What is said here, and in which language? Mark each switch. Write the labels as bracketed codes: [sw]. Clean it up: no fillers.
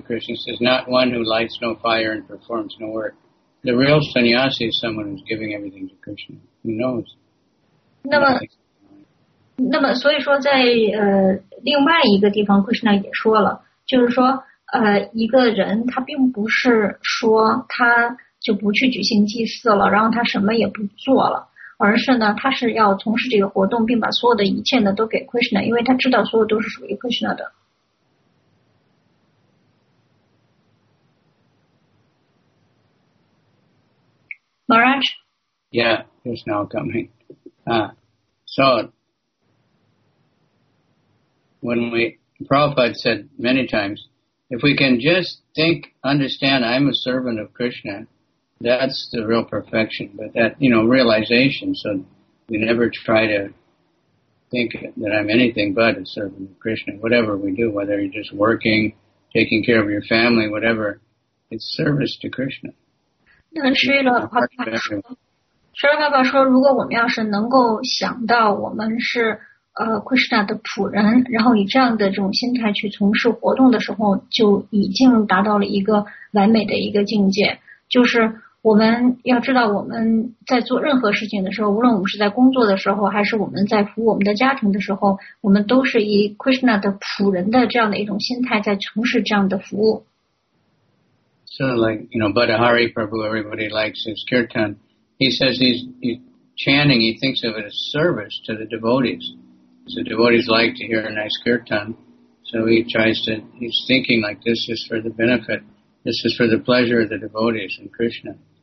[en] Krishna says, not one who lights no fire and performs no work. The real sannyasi is someone who's giving everything to Krishna. Who knows? [zh] 那么所以说在另外一个地方 Krishna 也说了，就是说一个人他并不是说他就不去举行祭祀了，然后他什么也不做了。而是呢，他是要从事这个活动，并把所有的一切呢都给 Krishna， 因为他知道所有都是属于 Krishna 的。 [en] Maharaj? Yeah, he's now coming. So, Prabhupada said many times, if we can just think, understand, I'm a servant of Krishna, that's the real perfection. But that, you know, realization, so we never try to think that I'm anything but a servant of Krishna. Whatever we do, whether you're just working, taking care of your family, whatever, it's service to Krishna. Okay. [zh] 那持续了话题说，舍尔爸爸说，如果我们要是能够想到我们是Krishna 的仆人，然后以这样的这种心态去从事活动的时候，就已经达到了一个完美的一个境界。就是我们要知道，我们在做任何事情的时候，无论我们是在工作的时候，还是我们在服务我们的家庭的时候，我们都是以 Krishna 的仆人的这样的一种心态在从事这样的服务。 [en] So like, you know, Buddha Hari Prabhu, everybody likes his kirtan. He says he's chanting, he thinks of it as service to the devotees. So devotees like to hear a nice kirtan. So he tries to, he's thinking like this is for the benefit, this is for the pleasure of the devotees and Krishna.